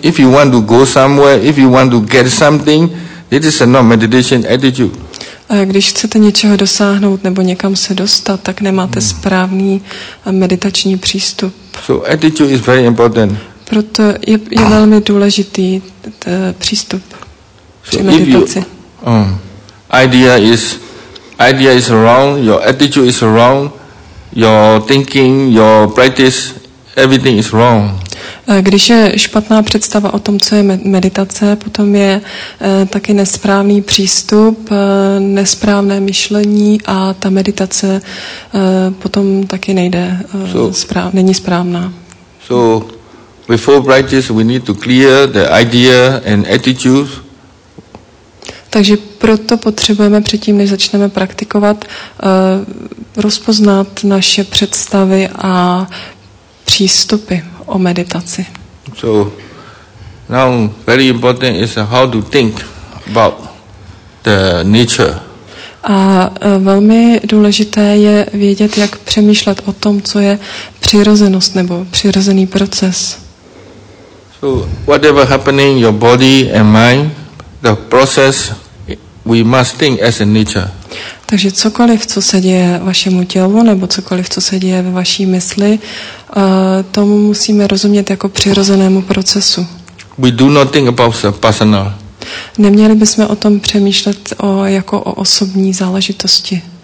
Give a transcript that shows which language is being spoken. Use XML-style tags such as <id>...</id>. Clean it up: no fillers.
<en>If you want to get something, this is not meditation attitude.</en> <cs>A když chcete něčeho dosáhnout nebo někam se dostat, tak nemáte správný meditační přístup.</cs> <en>So attitude is very important.</en> <cs>Proto je velmi důležitý přístup při meditaci.</cs> <en>Idea is wrong, your attitude is wrong, your thinking, your practice, everything is wrong.</en> <cs>Když je špatná představa o tom, co je meditace, potom je taky nesprávný přístup, nesprávné myšlení a ta meditace potom taky nejde, není správná.</cs> <en>So, before practice, we need to clear the idea and attitude.</en> <cs>Takže proto potřebujeme předtím, než začneme praktikovat, rozpoznat naše představy a přístupy o meditaci.</cs> <en>So now very important is how to think about the nature.</en> <cs>A velmi důležité je vědět, jak přemýšlet o tom, co je přirozenost nebo přirozený proces.</cs> <en>So whatever happening your body and mind, the process we must think as a nature.</en> <cs>Takže cokoliv, co se děje vašemu tělu, nebo cokoliv, co se děje ve vaší mysli, tomu musíme rozumět jako přirozenému procesu.</cs> <en>We do not think about personal.</en> <cs>Neměli bychom o tom přemýšlet jako o osobní záležitosti.</cs>